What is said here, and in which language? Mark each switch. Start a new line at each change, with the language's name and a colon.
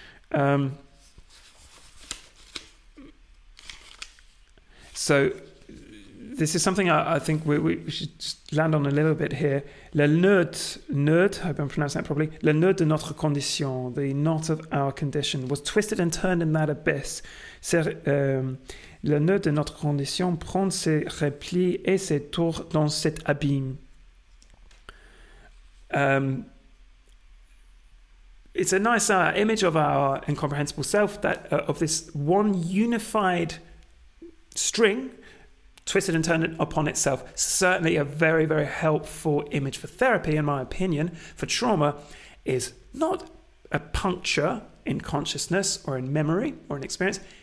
English: So this is something I think we should land on a little bit here. La note, note, I hope I'm pronouncing that properly,
French: la note de notre condition,
English: the knot of our condition, was twisted and turned in that abyss.
French: La note de notre condition prend ses replis et ses tours dans cet abîme.
English: It's a nice image of our incomprehensible self, that of this one unified string twisted and turned upon itself. Certainly a very, very helpful image for therapy, in my opinion, for trauma, is not a puncture in consciousness or in memory or in experience.